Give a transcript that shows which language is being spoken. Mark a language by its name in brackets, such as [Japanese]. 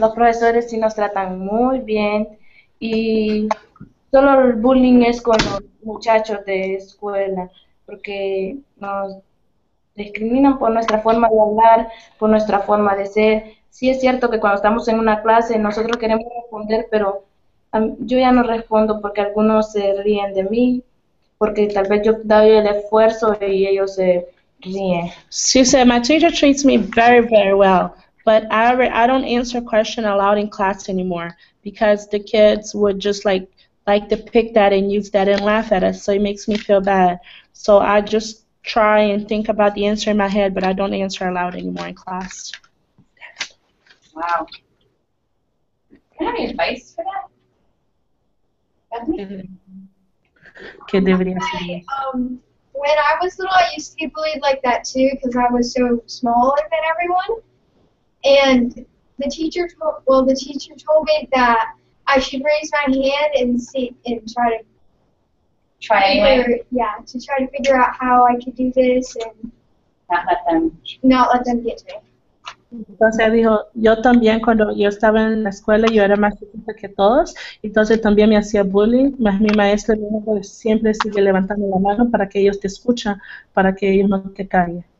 [Spanish] Los profesores sí nos tratan muy bien, y solo el bullying es con los muchachos de escuela, porque nos discriminan por nuestra forma de hablar, por nuestra forma de ser. Sí es cierto que cuando estamos en una clase nosotros queremos responder, pero yo ya no respondo porque algunos se ríen de mí, porque tal vez yo doy el esfuerzo y ellos se [English] Yeah. She said, my teacher treats me very, very well, but I don't answer questions aloud in class anymore, because the kids would just like to pick that and use that and laugh at us, so it makes me feel bad. So I just try and think about the answer in my head, but I don't answer aloud anymore in class. Wow. Do you have any advice for that? Mm-hmm. Okay, there we go. When I was little, I used to get bullied like that too, because I was so smaller than everyone. And the teacher told me that I should raise my hand and see and try to figure out how I could do this and not let them get to me. [Spanish] Entonces dijo, yo también cuando yo estaba en la escuela yo era más chiquita que todos, entonces también me hacía bullying, más mi maestro siempre sigue levantando la mano para que ellos te escuchen, para que ellos no te caigan.